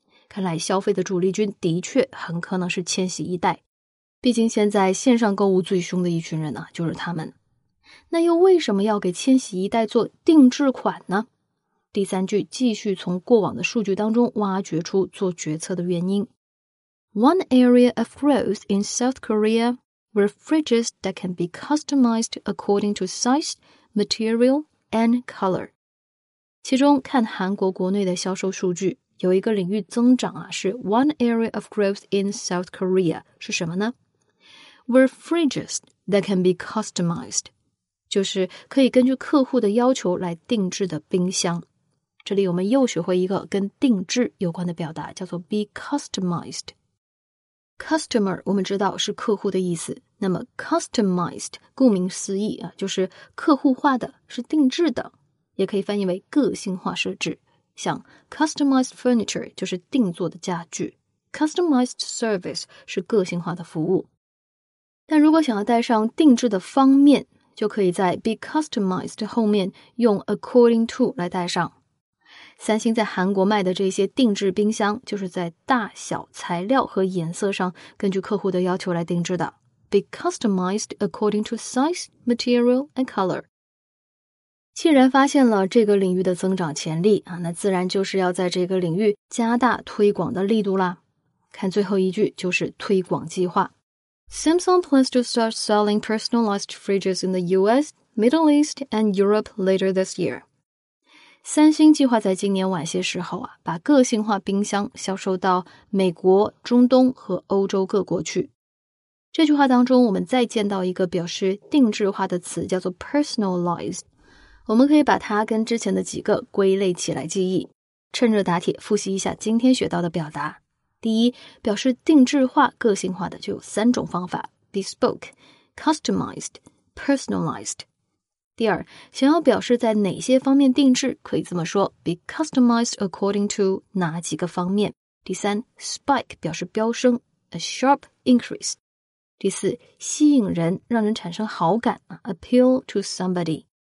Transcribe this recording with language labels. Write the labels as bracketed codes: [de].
[zh] 看来消费的主力军的确很可能是千禧一代。毕竟现在线上购物最凶的一群人呢、啊、就是他们。那又为什么要给千禧一代做定制款呢？第三句继续从过往的数据当中挖掘出做决策的原因。 [en] One area of growth in South Korea were fridges that can be customized according to size, material, and color. [zh] 其中看韩国国内的销售数据有一个领域增长啊，是 [en] One area of growth in South Korea [zh] 是什么呢 ? [en] Were fridges that can be customized. [zh] 就是可以根据客户的要求来定制的冰箱。这里我们又学会一个跟定制有关的表达叫做 be customized。 Customer 我们知道是客户的意思。那么 customized, 顾名思义啊，就是客户化的是定制的。也可以翻译为个性化设置。像 customized furniture 就是定做的家具 customized service 是个性化的服务但如果想要带上定制的方面就可以在 [en] be customized 后面用 according to 来带上三星在韩国卖的这些定制冰箱就是在大小材料和颜色上根据客户的要求来定制的 be customized according to size, material and color [zh] 既然发现了这个领域的增长潜力啊，那自然就是要在这个领域加大推广的力度啦。看最后一句就是推广计划。 [en] Samsung plans to start selling personalized fridges in the US, Middle East and Europe later this year. [zh] 三星计划在今年晚些时候啊，把个性化冰箱销售到美国、中东和欧洲各国去。这句话当中我们再见到一个表示定制化的词叫做 personalized。我们可以把它跟之前的几个归类起来记忆趁热打铁复习一下今天学到的表达第一表示定制化个性化的就有三种方法 bespoke, customized, personalized 第二想要表示在哪些方面定制可以这么说 be customized according to 哪几个方面第三 spike 表示飙升 [en] a sharp increase [zh] 第四吸引人让人产生好感 [en] appeal to somebody